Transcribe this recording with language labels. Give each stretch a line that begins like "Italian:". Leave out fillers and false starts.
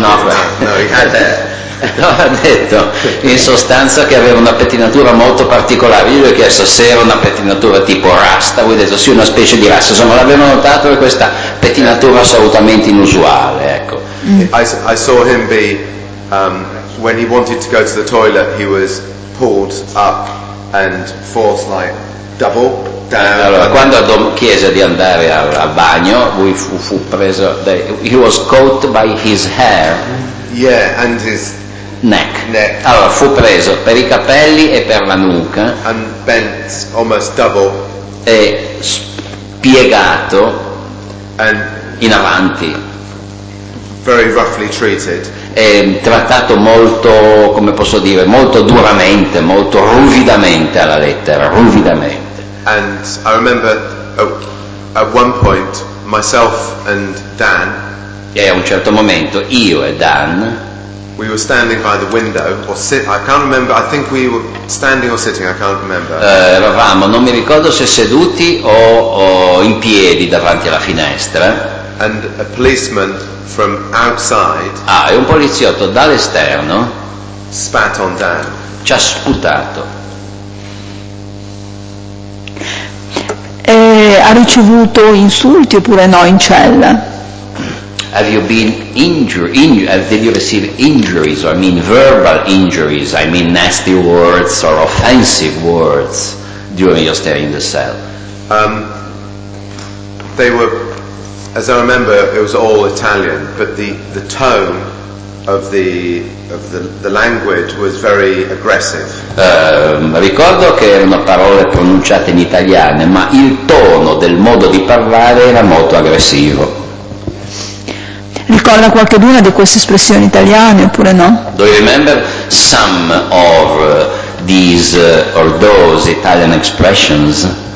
Italian: No, ha detto in sostanza che aveva una pettinatura molto particolare. Io gli ho chiesto se era una pettinatura tipo rasta. Lui ha detto sì, una specie di rasta. Insomma, l'avevo notato questa pettinatura assolutamente inusuale, ecco.
English: I saw him be when he wanted to go to the toilet, he was pulled up and forced like double down.
Italian: Allora, quando chiese di andare al bagno, lui fu preso.
English: He was caught by his hair. Yeah, and his neck.
Italian: Allora, fu preso per i capelli e per la nuca.
English: And bent almost double.
Italian: E spiegato. And in avanti.
English: Very roughly treated.
Italian: È trattato molto, come posso dire, molto duramente, molto ruvidamente alla lettera, ruvidamente.
English: And I remember at one point myself and Dan.
Italian: E a un certo momento io e Dan.
English: We were standing by the window or sit. I can't remember. I think we were standing or sitting. I can't remember.
Italian: Eravamo, non mi ricordo se seduti o in piedi davanti alla finestra.
English: And a policeman from outside.
Italian: Ah, e un poliziotto dall'esterno.
English: Spat on Dan.
Italian: Ci ha sputato. Ha ricevuto insulti oppure no in cella?
English: Have you been did you receive injuries, or I mean verbal injuries, I mean nasty words or offensive words during your stay in the cell? They were, as I remember, it was all Italian, but the tone of the language was very aggressive.
Italian: Ricordo che erano parole pronunciate in italiano, ma il tono del modo di parlare era molto aggressivo. Ricorda qualcuna di queste espressioni italiane oppure no?
English: Do you remember some of these or those Italian expressions?